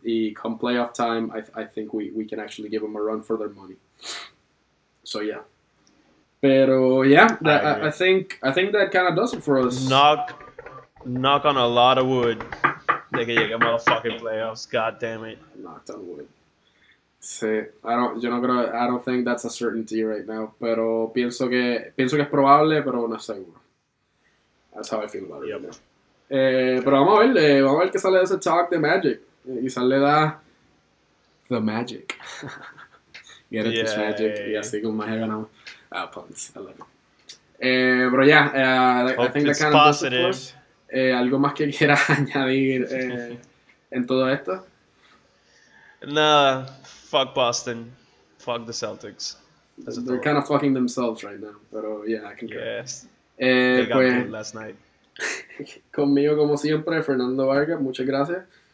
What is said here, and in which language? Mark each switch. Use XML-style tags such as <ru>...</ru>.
<en>Y come playoff time, I think we can actually give them a run for their money. So, yeah.</en> <es>Pero,</es> <en>yeah, I think that kind of does it for us. Knock on a lot of wood.</en> <es>De que llegue a</es> <en>motherfucking playoffs, god damn it. Knocked on wood.</en> <es>Sí,</es> <en>I don't think that's a certainty right now.</en> <es>Pero pienso que es probable, pero no es seguro.</es> <en>That's how I feel about it. Yep.</en> <es>Pero vamos a ver qué sale de ese talk de Magic. Quizás le da</es> <en>the Magic. Get it, this Magic.</en> <es>Y así con Magic ganamos.</es> <en>Ah, puns, I love it.</en> <es>Pero ya,</es> <en>I think that kind of does it for us.</en> <es>¿Algo más que quieras añadir en todo esto?</es> <en>Nah, fuck Boston. Fuck the Celtics. They're kind of fucking themselves right now.</en> <es>Pero</es> <en>yeah, I can go. Yes. They got killed last night.</en> <es>Conmigo como siempre, Fernando Vargas, muchas gracias.</es>